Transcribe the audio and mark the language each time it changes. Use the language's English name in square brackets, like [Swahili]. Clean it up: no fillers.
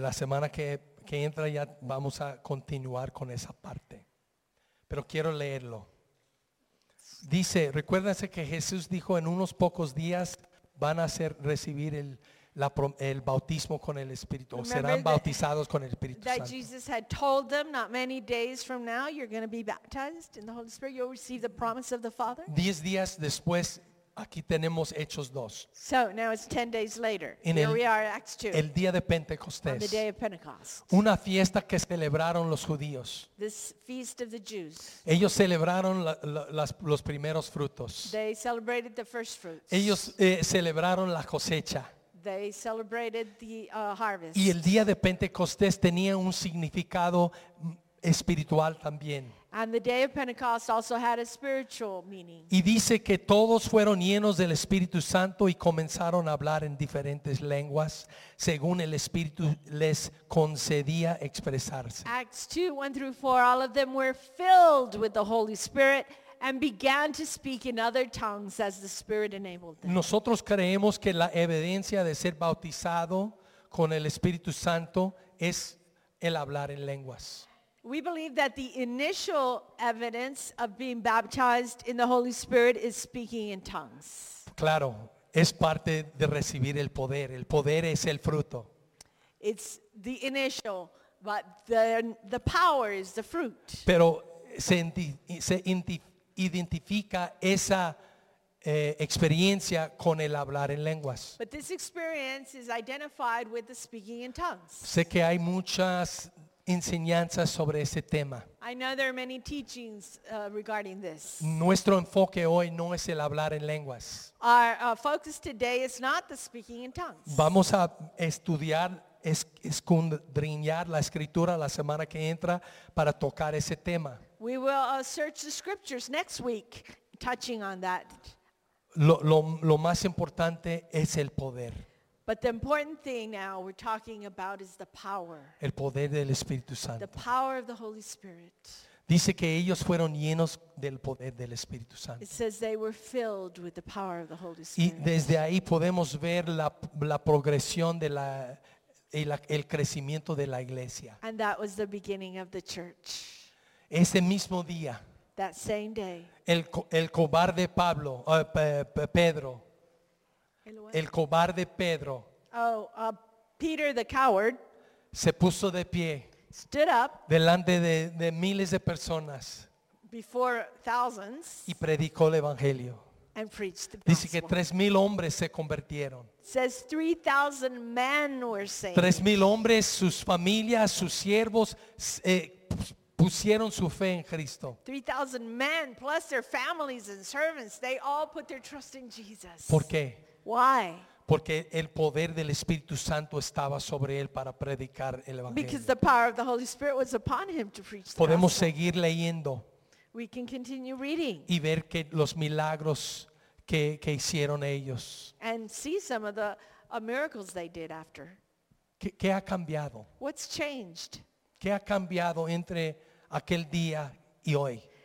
[Spanish] La semana que entra ya vamos a continuar con esa parte, pero quiero leerlo. Dice, recuérdense que Jesús dijo en unos pocos días van a recibir el bautismo con el Espíritu, [English] remember, [Spanish] o serán bautizados con el Espíritu [English] that [Spanish] Santo. [English] Jesus had told them not many days from now you're going to be baptized in the Holy Spirit, you'll receive the promise of the Father. [Spanish] 10 días después, aquí tenemos Hechos 2. [English] So now it's 10 days later. Here we are, Acts 2. [Spanish] El día de Pentecostés. [English] On the day of Pentecost. [Spanish] Una fiesta que celebraron los judíos. [English] This feast of the Jews. [Spanish] Ellos celebraron los primeros frutos. [English] They celebrated the first fruits. [Spanish] Ellos celebraron la cosecha. [English] They celebrated the harvest. [Spanish] Y el día de Pentecostés tenía un significado espiritual también. [English] And the day of Pentecost also had a spiritual meaning. [Spanish] Y dice que todos fueron llenos del Espíritu Santo y comenzaron a hablar en diferentes lenguas según el Espíritu les concedía expresarse. [English] Acts 2, 1 through 4, all of them were filled with the Holy Spirit and began to speak in other tongues as the Spirit enabled them. [Spanish] Nosotros creemos que la evidencia de ser bautizado con el Espíritu Santo es el hablar en lenguas. [English] We believe that the initial evidence of being baptized in the Holy Spirit is speaking in tongues. [Spanish] Claro, es parte de recibir el poder. El poder es el fruto. [English] It's the initial, but the power is the fruit. [Spanish] Pero identifica esa experiencia con el hablar en lenguas. [English] But this experience is identified with the speaking in tongues. [Spanish] Sé que hay muchas enseñanzas sobre ese tema. [English] I know there are many teachings regarding this. [Spanish] Nuestro enfoque hoy no es el hablar en lenguas. [English] Our focus today is not the speaking in tongues. [Spanish] Vamos a estudiar, escudriñar la escritura la semana que entra para tocar ese tema. [English] We will search the scriptures next week, touching on that. [Spanish] Lo más importante es el poder. [English] But the important thing now we're talking about is the power. [Spanish] El poder del Espíritu Santo. [English] The power of the Holy Spirit. [Spanish] Dice que ellos fueron llenos del poder del Espíritu Santo. [English] It says they were filled with the power of the Holy Spirit. [Spanish] Y desde ahí podemos ver la progresión de el crecimiento de la iglesia. [English] And that was the beginning of the church. [Spanish] Ese mismo día. [English] That same day. [Spanish] El cobarde Pablo, Pedro. El cobarde Pedro. [English] Oh, Peter the coward. [Spanish] Se puso de pie. [English] Stood up. [Spanish] Delante de miles de personas. [English] Before thousands. [Spanish] Y predicó el evangelio. [English] And preached the gospel. [Spanish] Dice que 3,000 hombres se convirtieron. [English] Says 3,000 men were saved. [Spanish] 3,000 hombres, sus familias, sus siervos, pusieron su fe en Cristo. [English] 3,000 men plus their families and servants, they all put their trust in Jesus. [Spanish] ¿Por qué? [English] Why? [Spanish] Porque el poder del Espíritu Santo estaba sobre él para predicar el evangelio. [English] Because the power of the Holy Spirit was upon him to preach. [Spanish] Podemos [English] the [Spanish] seguir leyendo. [English] We can continue reading. [Spanish] Y ver que los milagros que hicieron ellos. [English] And see some of the miracles they did after. [Spanish] ¿Qué ha cambiado? [English] What's changed? [Spanish] ¿Qué ha cambiado entre aquel día y hoy?